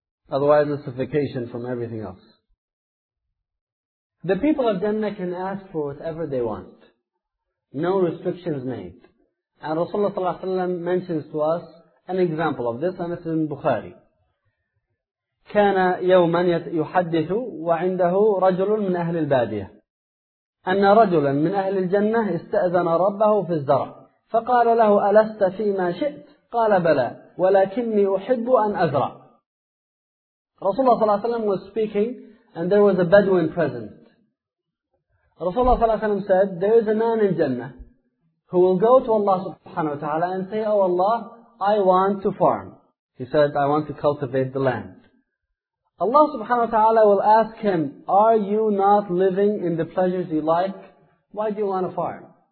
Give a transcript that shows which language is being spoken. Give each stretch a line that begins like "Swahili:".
English: Otherwise, it's a vacation from everything else. The people of Jannah can ask for whatever they want. No restrictions made. And Rasulullah sallallahu alaihi wasallam mentions to us an example of this, and it's in Bukhari.
Arabic: كان يوما يحدث وعنده رجل من أهل البادية أن رجلا من أهل الجنة استأذن ربه في الزرع فقال له ألست فيما شئت؟ قال بلى ولكني أحب أن أزرع.
English: Rasulullah ﷺ was speaking and there was a Bedouin present. Rasulullah ﷺ said, there is a man in Jannah who will go to Allah subhanahu wa ta'ala and say, oh Allah, I want to farm. He said, I want to cultivate the land. Allah subhanahu wa ta'ala will ask him, are you not living in the pleasures you like? Why do you want to farm?